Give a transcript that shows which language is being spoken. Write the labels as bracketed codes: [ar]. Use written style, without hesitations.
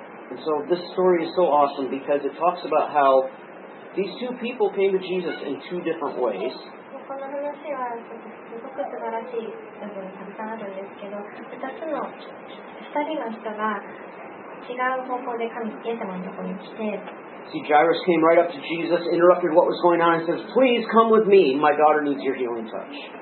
[en] And so this story is so awesome because it talks about how these two people came to Jesus in two different ways. [ja] この話はく素晴らしい部分がたくさんあるんですけど、2つの2人の人が違う方向で神イエス様のところに来て、 [en] See, Jairus came right up to Jesus, interrupted what was going on, and says, Please come with me. My daughter needs your healing touch.